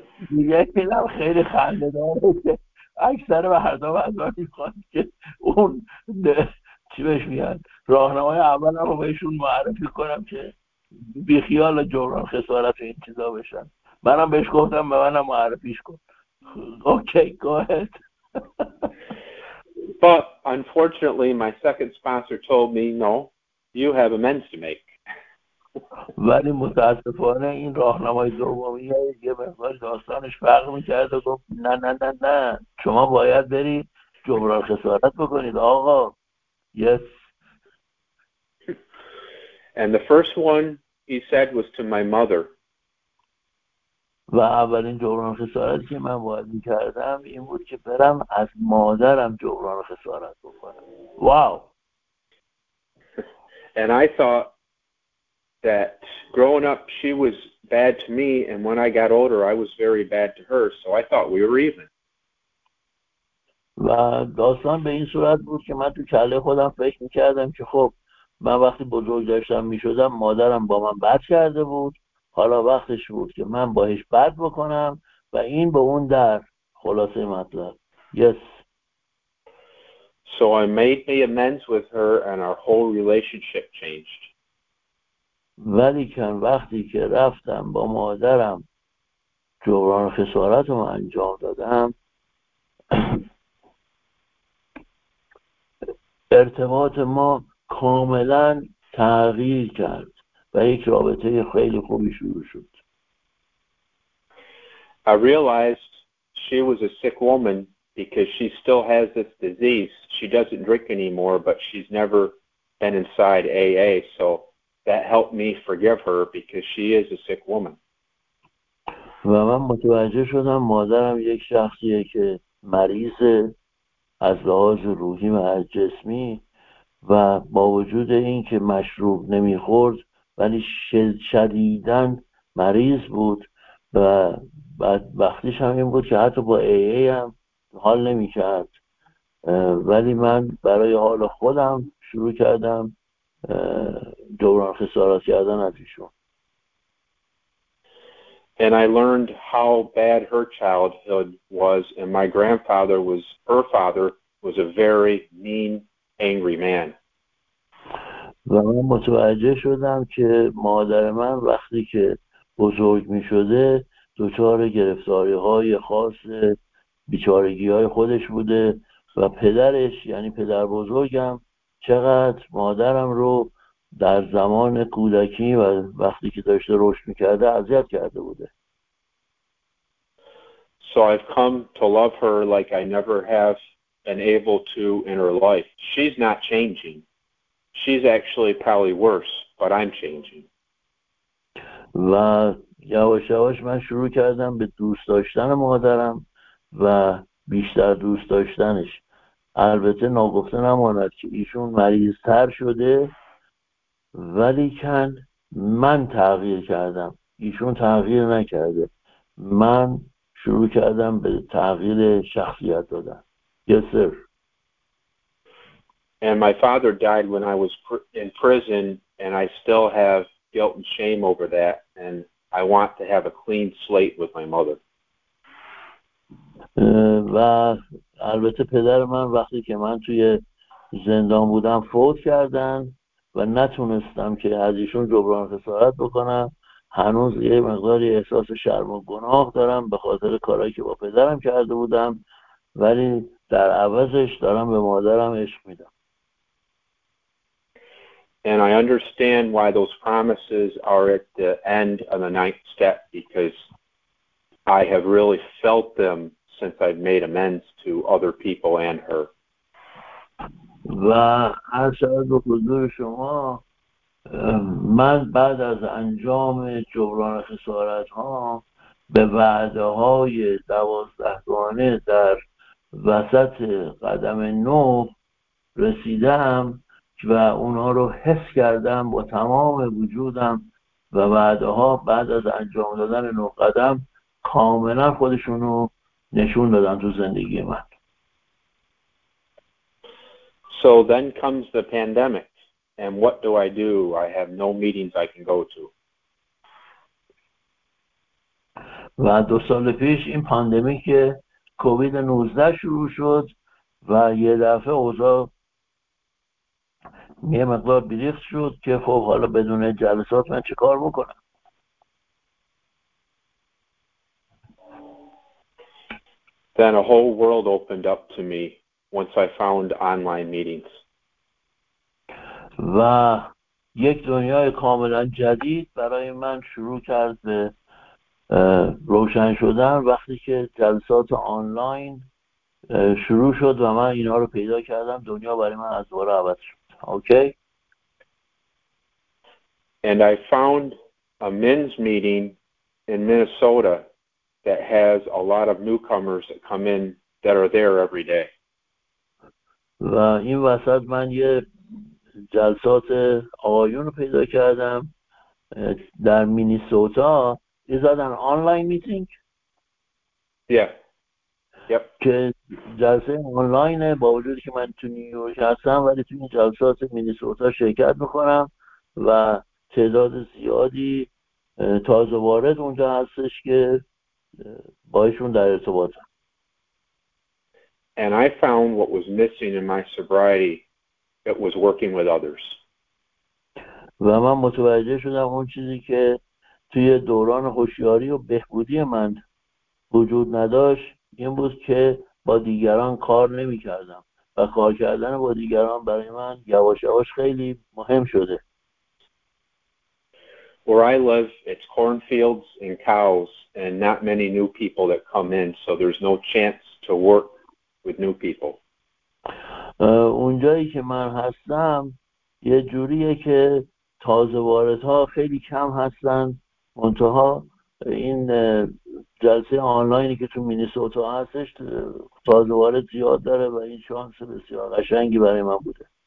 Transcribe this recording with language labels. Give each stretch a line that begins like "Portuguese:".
Persian: یک میلم خیلی خنده داره که اکثر مردم از من میخواد که اون چی بهش میاد راهنمای اول هم رو بهشون معرفی کنم که بیخیال جبران خسارت این چیزا بشن. منم بهش گفتم به منم معرفیش کن.
English: Okay go ahead. But unfortunately my second sponsor told me no, you have amends to make.
Persian: ولی متاسفانه این راهنمای دومی یه مقدار داستانش فرق می‌کرد و گفت نه نه نه نه، شما باید برید جبران خسارت بکنید آقا.
English: Yes. And the first one he said was to my mother.
Persian: و اولین جبران خسارتی که من باید می‌کردم این بود که برم از مادرم جبران خسارت بکنم. واو.
English: And I thought that growing up she was bad to me and when I got older I was very bad to her, so I thought we were even.
Persian: و داستان به این صورت بود که من تو کله خودم فکر میکردم که خب من وقتی بزرگ داشتم میشدم مادرم با من بد کرده بود، حالا وقتش بود که من باهش بد بکنم و این به اون در. خلاصه مطلب.
English: Yes. So I made me amends with her and our whole relationship changed.
Persian: ولیکن وقتی که رفتم با مادرم جبران خسارت رو انجام دادم ارتباط ما کاملا تغییر کرد و یک رابطه خیلی خوبی شروع شد.
English: I realized she was a sick woman because she still has this disease. She doesn't drink anymore but she's never been inside AA, so that helped me forgive her because she is a sick woman.
Persian: و من متوجه شدم مادرم یک شخصیه که مریضه از لحاظ روحی و از جسمی، و با وجود اینکه مشروب نمیخورد ولی شدیداً مریض بود و بدبختیش هم این بود که حتی با ای ای هم حال نمی کرد. ولی من برای حال خودم شروع کردم دوران خسارت کردن از ایشون.
English: And I learned how bad her childhood was, and my grandfather was, her father was a very mean, angry man.
Persian: و من متوجه شدم که مادر من وقتی که بزرگ می شده دچار گرفتاری های خاص بیچارگی های خودش بوده و پدرش، یعنی پدر بزرگم، چقدر مادرم رو در زمان کودکی و وقتی که داشته رشد می کرده اذیت کرده بوده.
English: So I've come to love her like I never have been able to in her life. She's not changing. She's actually probably worse, but I'm changing.
Persian: و یواش یواش من شروع کردم به دوست داشتن مادرم و بیشتر دوست داشتنش. البته ناگفته نماند که ایشون مریض تر شده، ولی کن من تغییر کردم، ایشون تغییر نکرده. من شروع کردم به تغییر شخصیت دادن.
English: Yes, sir. And my father died when I was in prison, and I still have guilt and shame over that, and I want to have a clean slate with my mother.
Persian: و البته پدر من وقتی که من توی زندان بودم فوت کردن و نتونستم که از ایشون جبران خسارت بکنم، هنوز یه مقداری احساس شرم و گناه دارم به خاطر کارهایی که با پدرم کرده بودم، ولی در عوضش دارم به مادرم عشق میدم.
English: And I understand why those promises are at the end of the ninth step, because I have really felt them since I've made amends to other people and her.
Persian: و عرض به حضور شما، من بعد از انجام جبران خسارت ها به وعده های 12 گانه در وسط قدم 9 رسیدم و اونا رو حس کردم با تمام وجودم، و وعده ها بعد از انجام دادن 9 قدم کاملا خودشون رو نشون دادن تو زندگی من.
English: So then comes the pandemic, and what do? I have no meetings I can go to.
Persian: و 2 سال پیش این پاندمی که کووید 19 شروع شد و یه دفعه اوضاع یه مقدار بریخت شد که خب حالا بدون جلسات من چه کار بکنم.
English: Then a whole world opened up to me once I found online meetings.
Persian: و یک دنیای کاملا جدید برای من شروع کرد به روشن شدن وقتی که جلسات آنلاین شروع شد و من اینا رو پیدا کردم. دنیا برای من از دوباره عوض شد.
English: Okay. And I found a men's meeting in Minnesota that has a lot of newcomers that come in that are there every day.
Persian: و این وسط من یه جلسات آقایون رو پیدا کردم در مینیسوتا.
English: Is that an online meeting? Yeah. Yep.
Persian: که جلسه آنلاینه، با وجودی که من تو نیویورک هستم ولی تو این جلسات مینیسوتا شرکت میکنم و تعداد زیادی تازه وارد اونجا هستش که باشون در ارتباطم.
English: And I found what was missing in my sobriety. It was working with others.
Persian: و من متوجه شدم اون چیزی که توی دوران هوشیاری و بهبودی من وجود نداشت این بود که با دیگران کار نمی کردم و کار کردن با دیگران برای من یواش یواش خیلی مهم شده.
English: Where I live, it's cornfields and cows and not many new people that come in, so there's no chance to work with new people.
Persian: اونجایی که من هستم یه جوریه که تازه واردها خیلی کم هستن، منتها این جلسه آنلاینی که تو مینیسوتا هستش تازه وارد زیاد داره و این شانس بسیار قشنگی برای من بوده.